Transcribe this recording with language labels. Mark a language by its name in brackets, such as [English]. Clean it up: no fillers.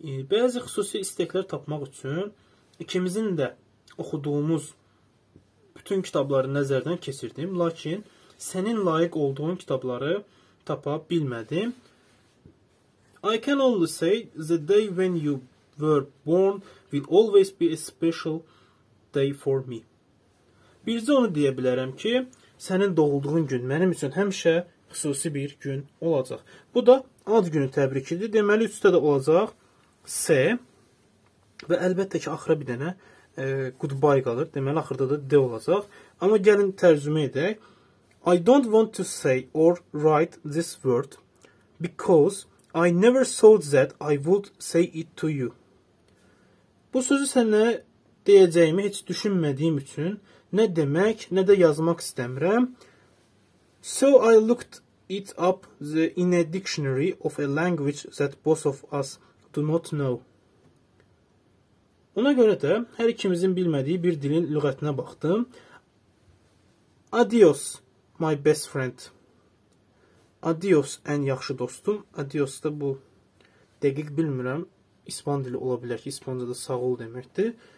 [Azerbaijani] Bəzi xüsusi istəklər tapmaq üçün ikimizin də oxuduğumuz bütün kitabları nəzərdən keçirdim, lakin sənin layiq olduğun kitabları tapa bilmədim. [English] I can only say the day when you were born will always be a special day for me. [Azerbaijani] Bircə onu deyə bilərəm ki, sənin doğulduğun gün mənim üçün həmişə xüsusi bir gün olacaq. Bu da ad günü təbrikidir. Deməli, üstə də olacaq S və əlbəttə ki, axıra bir dənə goodbye qalır. Deməli, axırda da D olacaq. Amma gəlin tərcümə edək. [English] I don't want to say or write this word because I never thought that I would say it to you. [Azerbaijani] Bu sözü sənə deyəcəyimi heç düşünmədiyim üçün nə demək, nə də yazmaq istəmirəm. [English] So I looked it up in a dictionary of a language that both of us do not know. [Azerbaijani] Ona görə də hər ikimizin bilmədiyi bir dilin lüğətinə baxdım. [English] Adios, my best friend. Adios, [Azerbaijani] ən yaxşı dostum. Adios da bu, dəqiq bilmirəm, İspan dili ola bilər ki, İspancada sağ ol deməkdir.